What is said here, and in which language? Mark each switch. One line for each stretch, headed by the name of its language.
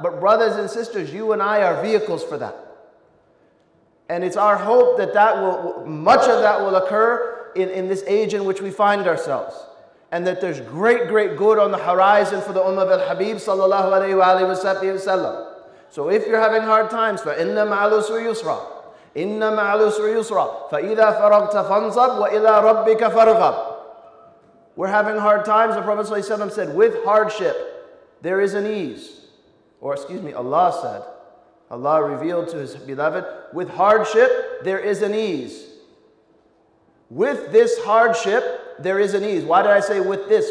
English: But brothers and sisters, you and I are vehicles for that. And it's our hope that much of that will occur in this age in which we find ourselves. And that there's great, great good on the horizon for the Ummah of al-Habib sallallahu alayhi wa sallam. So if you're having hard times,
Arabic: فَإِنَّ مَعَ الْعُسْرِ يُسْرًا إِنَّ مَعَ الْعُسْرِ يُسْرًا فَإِذَا فَرَغْتَ فَانْصَبْ وَإِلَىٰ رَبِّكَ فَارْغَبْ.
English: We're having hard times, the Prophet ﷺ said, with hardship, there is an ease. Or excuse me, Allah said, Allah revealed to His beloved, with hardship, there is an ease. With this hardship, there is an ease. Why did I say with this?